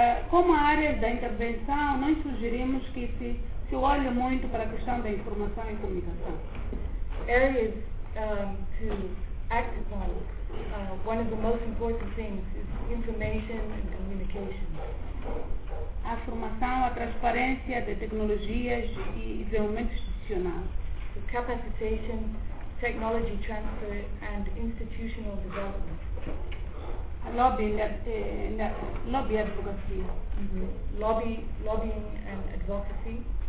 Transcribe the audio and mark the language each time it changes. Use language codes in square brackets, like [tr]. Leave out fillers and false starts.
[pt] Como áreas da intervenção, nós sugerimos que se olhe muito para a questão da informação e comunicação. [en] Areas to act upon, one of the most important things is information and communication. [pt] A formação, a transparência de tecnologias e desenvolvimento institucional. [en] The capacitation, technology transfer and institutional development. Lobby advocacy. Mm-hmm. Lobbying and advocacy.